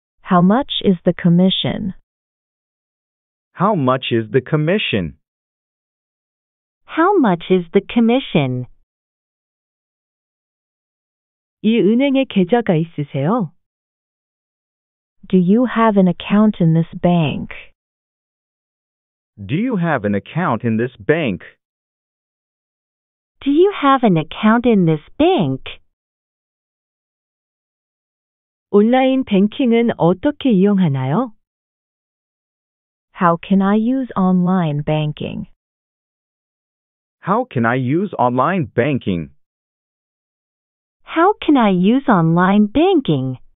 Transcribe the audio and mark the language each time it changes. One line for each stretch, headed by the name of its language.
English: How much is the commission? How much is the commission? How much is the commission?
Korean: 이 은행에 계좌가 있으세요?
English: Do you have an account in this bank? Do you have an account in this bank? Do you have an account in this bank?
Korean: 온라인 뱅킹은 어떻게 이용하나요?
English: How can I use online banking? How can I use online banking? How can I use online banking?